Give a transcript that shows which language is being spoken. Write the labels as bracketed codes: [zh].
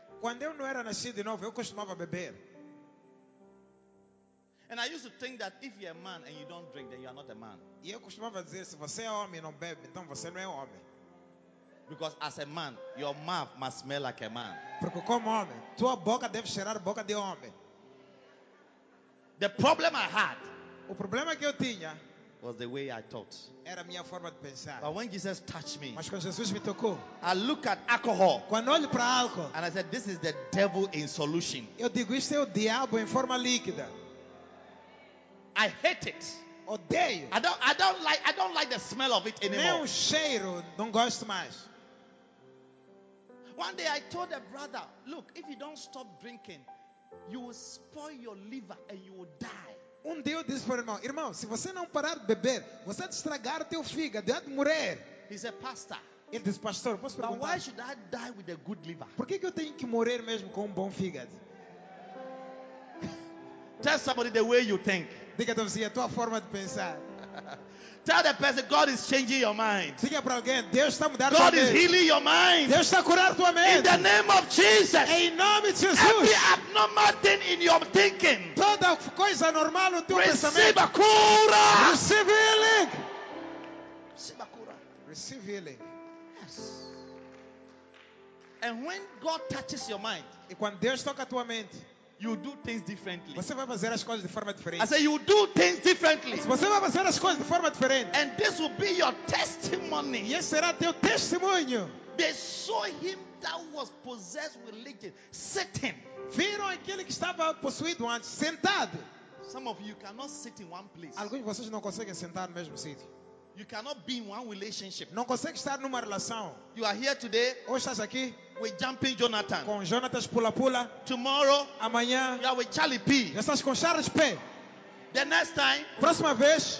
[pt] Quando eu não era nascido de novo, eu costumava beber. [en] And I used to think that if you're a man and you don't drink, then you are not a man. [pt] E eu costumava dizer, se você é homem e não bebe, então você não é homem. [en] Because as a man, your mouth must smell like a man. [pt] Porque como homem, tua boca deve cheirar a boca de homem. [en] The problem I had. [pt] O problema que eu tinha. [en] was the way I thought. [pt] Era minha forma de pensar. [en] But when Jesus touched me, [pt] mas quando Jesus me tocou, [en] I look at alcohol. [pt] Quando olho para álcool, [en] and I said, this is the devil in solution. [pt] Eu digo, isto é o diabo em forma líquida. [en] I hate it. [pt] Odeio. [en] I don't like the smell of it anymore. [pt] Nem cheiro, não gosto mais. [en] One day I told a brother, look, if you don't stop drinking, you will spoil your liver and you will die. [pt] Um dia eu disse para o irmão, irmão, se você não parar de beber, você vai estragar teu fígado, vai morrer. [en] He's a pastor. [pt] Ele disse, pastor, posso perguntar? [en] But why should I die with a good liver? [pt] Por que eu tenho que morrer mesmo com bom fígado? [en] Tell somebody the way you think. [pt] Diga para você a tua forma de pensar. [en] Tell the person God is changing your mind. [pt] Diga para alguém, Deus está mudando. [en] God is healing your mind. [pt] Deus está curando tua mente. [en] In the name of Jesus. [pt] Em nome de Jesus. [en] Every abnormal thing in your thinking. [pt] Toda coisa normal no teu pensamento. Receba cura. [en] Receive healing. [pt] Receba cura. [en] Receive healing. Yes. And when God touches your mind, [pt] e quando Deus toca a tua mente, [en] you do things differently. [pt] Você vai fazer as coisas de forma diferente. [en] I say you do things differently. [pt] Você vai fazer as coisas de forma diferente. [en] And this will be your testimony. [pt] E esse será teu testemunho. [en] They saw him that was possessed with legion sitting. [pt] Viram aquele que estava possuído antes sentado. [en] Some of you cannot sit in one place. [pt] Alguns de vocês não conseguem sentar no mesmo sítio. [en] You cannot be in one relationship. [pt] Não consegue estar numa relação. [en] You are here today. [pt] Hoje estás aqui. [en] With jumping Jonathan. [pt] Com Jonathan pula-pula. [en] Tomorrow. [pt] Amanhã. [en] You are with Charlie P. [pt] Estás com Charles P. [en] The next time. [pt] Próxima vez.